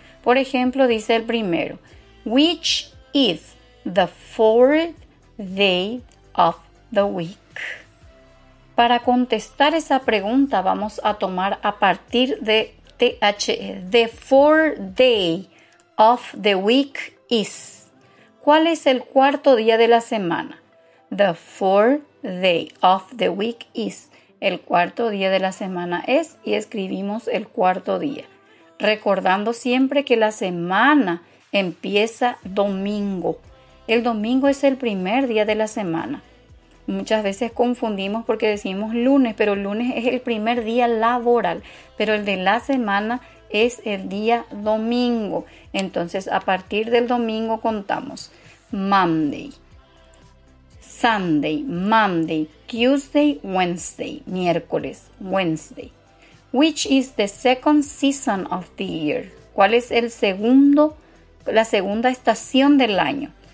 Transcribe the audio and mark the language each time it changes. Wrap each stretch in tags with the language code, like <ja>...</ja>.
<es>Por ejemplo, dice el primero,</es> <en>which is the fourth day of the week?</en> <es>Para contestar esa pregunta vamos a tomar a partir de THE,</es> <en>the fourth day of the week is.</en> <es>¿Cuál es el cuarto día de la semana?</es> <en>The fourth day of the week is.</en> <es>El cuarto día de la semana es y escribimos el cuarto día. Recordando siempre que la semana empieza domingo. El domingo es el primer día de la semana. Muchas veces confundimos porque decimos lunes, pero el lunes es el primer día laboral. Pero el de la semana es el día domingo. Entonces, a partir del domingo contamos Monday, Sunday, Monday, Tuesday, Wednesday, miércoles, Wednesday.</es> <en>Which is the second season of the year?</en> <es>¿Cuál es la segunda estación del año?</es>